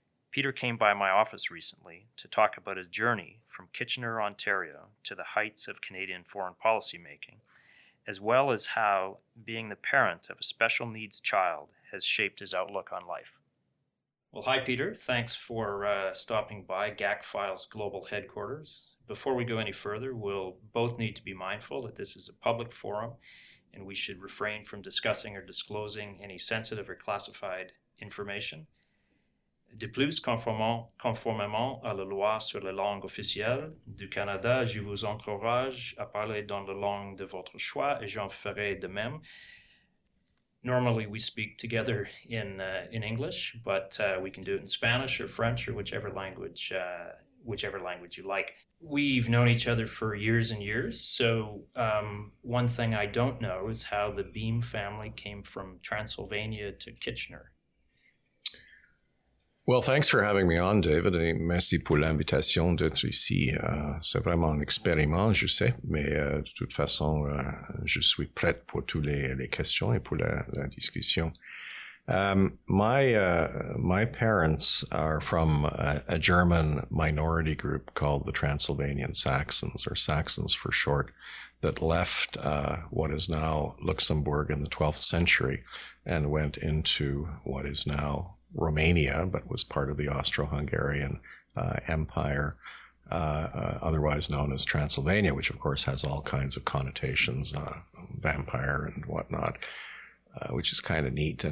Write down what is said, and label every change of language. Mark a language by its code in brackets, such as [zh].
[en] Peter came by my office recently to talk about his journey from Kitchener, Ontario, to the heights of Canadian foreign policy making, as well as how being the parent of a special needs child has shaped his outlook on life. Well, hi, Peter. Thanks for stopping by GAC Files Global Headquarters. Before we go any further, we'll both need to be mindful that this is a public forum and we should refrain from discussing or disclosing any sensitive or classified information. [fr] De plus, conformément à la loi sur les langues officielles du Canada, je vous encourage à parler dans la langue de votre choix et j'en ferai de même. [en] Normally, we speak together in English, but we can do it in Spanish or French or whichever language you like. We've known each other for years and years, so one thing I don't know is how the Beam family came from Transylvania to Kitchener. Well, thanks for having me on, David, [fr] et merci pour l'invitation d'être ici. C'est vraiment un expériment, je sais, mais de toute façon, je suis prêt pour toutes les questions et pour la discussion. [en] My parents are from a German minority group called the Transylvanian Saxons, or Saxons for short, that left what is now Luxembourg in the 12th century and went into what is now Romania, but was part of the Austro-Hungarian Empire, otherwise known as Transylvania, which of course has all kinds of connotations, vampire and whatnot, which is kind of neat.